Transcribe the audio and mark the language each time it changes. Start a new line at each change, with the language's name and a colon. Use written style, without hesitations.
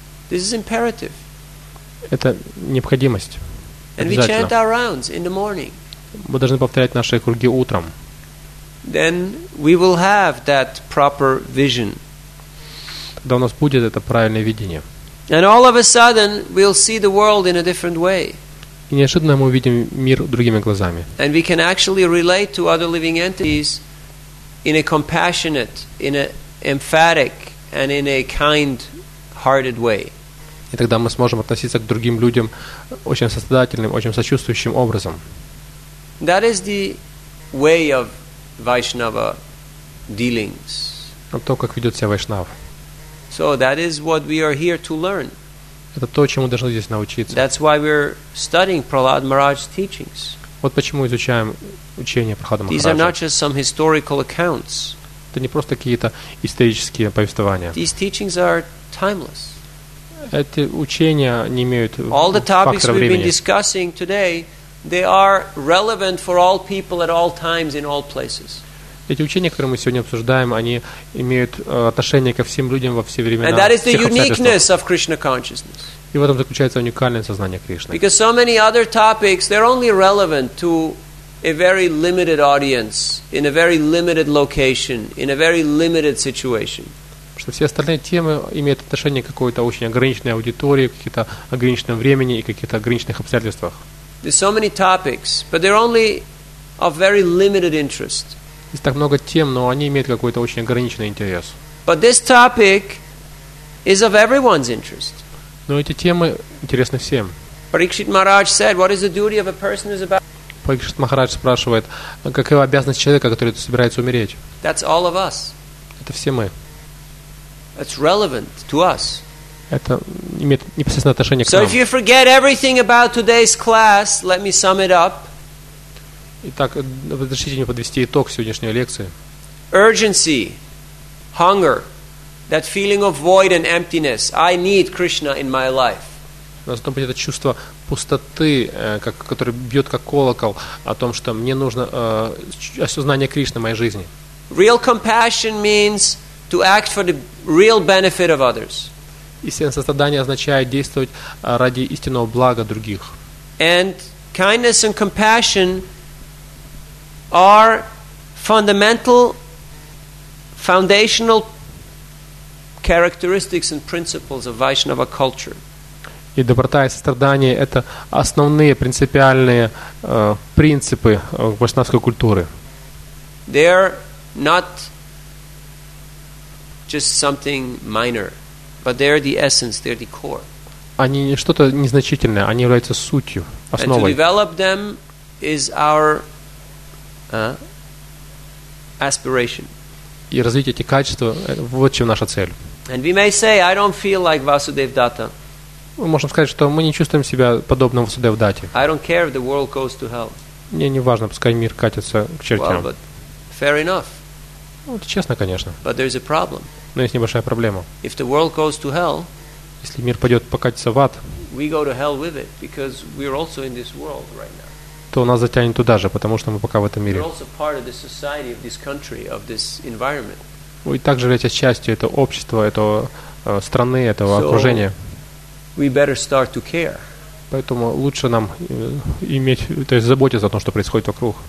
English: This is imperative.
Russian: Это необходимость.
English: And we chant our rounds in the morning.
Russian: Мы должны повторять наши круги утром.
English: Then we will have that proper vision.
Russian: Тогда у нас будет это правильное видение.
English: And all of a sudden we'll see the world in a different way.
Russian: И неожиданно мы увидим мир другими глазами.
English: And we can actually relate to other living entities in a compassionate, in a emphatic and in a kind-hearted way.
Russian: И тогда мы сможем относиться к другим людям очень сострадательным, очень сочувствующим образом.
English: That is the way of Vaishnava dealings.
Russian: То, как ведет себя Вайшнав.
English: So that is what we are here to learn.
Russian: Это то, чему должны здесь научиться.
English: That's why we're studying Prahlad Maharaj's teachings.
Russian: Вот почему изучаем учение Прахлада Махараджа.
English: These are not just some historical accounts.
Russian: Это не просто какие-то исторические повествования.
English: These teachings are timeless.
Russian: Эти учения не имеют фактора времени.
English: All the topics we've been discussing today, they are relevant for all people at all times in all places.
Russian: Эти учения, которые мы сегодня обсуждаем, они имеют отношение ко всем людям во все времена.
English: And that is the uniqueness of Krishna consciousness.
Russian: И в этом заключается уникальное сознание Кришны.
English: Because so many other topics, they're only relevant to a very limited audience, in a very limited location, in a very limited situation.
Russian: Что все остальные темы имеют отношение к какой-то очень ограниченной аудитории, к каким-то ограниченным времени и каких-то ограниченных обстоятельствах.
English: There's so many topics, but they're only of very limited interest.
Russian: Есть так много тем, но они имеют какой-то очень ограниченный интерес.
English: But this topic is of everyone's interest.
Russian: Но эти темы интересны всем.
English: Parikshit Maharaj said, what is the duty of a person is about?
Russian: Парикшит Махарадж спрашивает, какова обязанность человека, который собирается умереть?
English: That's all of us.
Russian: Это все мы.
English: It's relevant to us.
Russian: Это имеет непосредственное отношение к
English: so
Russian: нам.
English: If you forget everything about today's class, let me sum it up.
Russian: Итак, разрешите мне подвести итог сегодняшней лекции.
English: Urgency, hunger, that feeling of void and emptiness. I need Krishna in my life.
Russian: Должно быть это чувство пустоты, как, которое бьет как колокол о том, что мне нужно осознание Кришны в моей жизни.
English: Real compassion means to act for the real benefit of others.
Russian: Истинное сострадание означает действовать ради истинного блага других.
English: And kindness and compassion are fundamental, foundational characteristics and principles of Vaishnava culture.
Russian: И доброта и сострадание – это основные принципиальные принципы вайшнавской культуры.
English: They're not just something minor, but they're the essence, they're the core.
Russian: Они не что-то незначительное, они являются сутью, основой.
English: And to develop them is our aspiration.
Russian: И развить эти качества – вот чем наша цель.
English: And we may say, I don't feel like Vasudev Datta.
Russian: Мы можем сказать, что мы не чувствуем себя подобным Васудев Дате.
English: I don't care if the world goes to hell.
Russian: Мне не важно, пускай мир катится к чертям.
English: Well, but fair enough.
Russian: Ну, это честно, конечно.
English: But there is a problem.
Russian: Но есть небольшая проблема.
English: If the world goes to hell,
Russian: если мир пойдет покатиться в ад,
English: we go to hell with it because we are also in this world right now.
Russian: То нас затянет туда же, потому что мы пока в этом мире.
English: We're also part of the society of this country, of this environment.
Russian: Вы также являетесь частью этого общества, этого страны, этого окружения.
English: We better start to care.
Russian: Поэтому лучше нам иметь, то есть заботиться о том, что происходит вокруг.